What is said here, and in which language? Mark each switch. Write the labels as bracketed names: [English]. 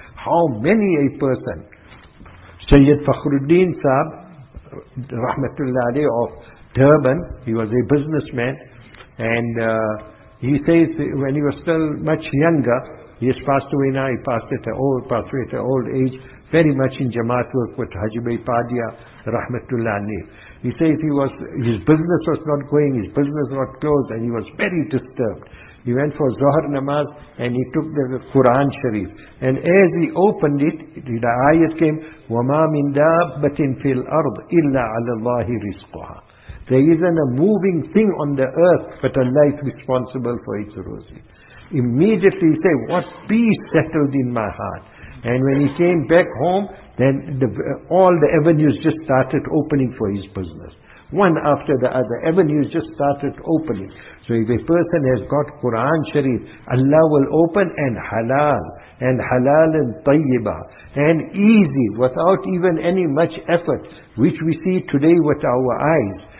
[English] How many a person? Sayyid Fakhruddin Saab, Rahmatullah Ali of Durban, he was a businessman, and he says when he was still much younger, he has passed away now, he passed away at an old age, very much in Jamaat work with Haji Bhai Padia, Rahmatullah Ali. He says his business was not going, his business was not closed, and he was very disturbed. He went for Zohar Namaz and he took the Quran Sharif. And as he opened it, the ayat came, [Arabic] وَمَا مِنْ دَابَّةٍ فِي الْأَرْضِ إِلَّا عَلَى اللَّهِ رِزْقُهَا. [English] There isn't a moving thing on the earth, but Allah is responsible for its rosy. Immediately he said, what peace settled in my heart. And when he came back home, then all the avenues just started opening for his business. One after the other, avenues just started opening. So if a person has got Quran Sharif, Allah will open and halal and tayyiba, and easy, without even any much effort, which we see today with our eyes.